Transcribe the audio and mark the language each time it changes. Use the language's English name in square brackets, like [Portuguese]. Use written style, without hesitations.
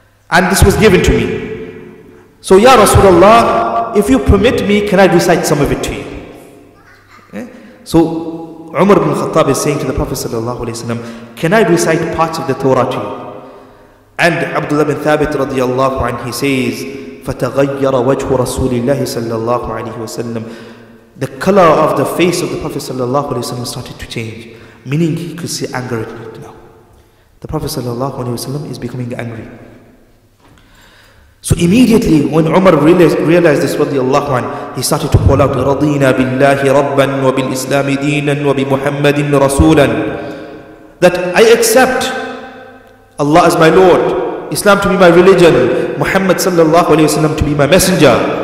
[English] And this was given to me. So ya Rasulullah, if you permit me, can I recite some of it to you? So Umar ibn Khattab is saying to the Prophet sallallahu alaihi wasallam, can I recite parts of the Torah to you? And Abdullah bin Thabit radiallahu anhu, he says [Arabic] فتغير وجه رسول الله صلى الله عليه وسلم. [English] The color of the face of the Prophet صلى الله عليه وسلم started to change, meaning he could see anger in it now. The Prophet صلى الله عليه وسلم is becoming angry. So immediately when Umar realized this, رضي الله عنه, he started to call out, [Arabic] رضينا بالله ربا وبالإسلام دينا وبمحمد رسولا, [English] that I accept Allah as my Lord, Islam to be my religion, Muhammad sallallahu alayhi wasallam to be my messenger.